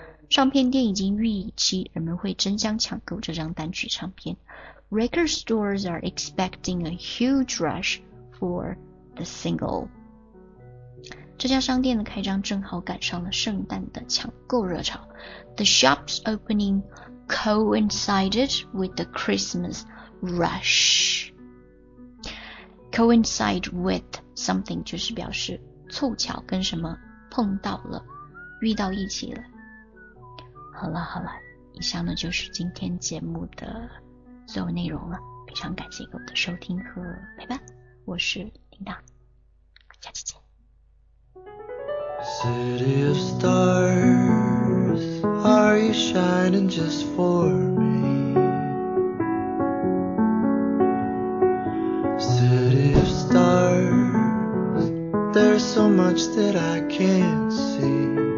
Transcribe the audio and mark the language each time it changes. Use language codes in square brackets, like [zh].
[zh] 唱片店已经预期人们会争相抢购这张单曲唱片 [en] record stores are expecting a huge rush for the singleThe shop's opening the [zh] 开张正好赶上了圣诞的抢购热潮。 [en] The shop's opening coincided with the Christmas rush. Coincide with something [zh] 就是表示凑巧跟什么碰到了，遇到一起了。好了好了，以上呢就是今天节目的所有内容了。非常感谢各位的收听和陪伴，我是琳达，下期见。 [en] City of stars, are you shining just for me? City of stars, there's so much that I can't see.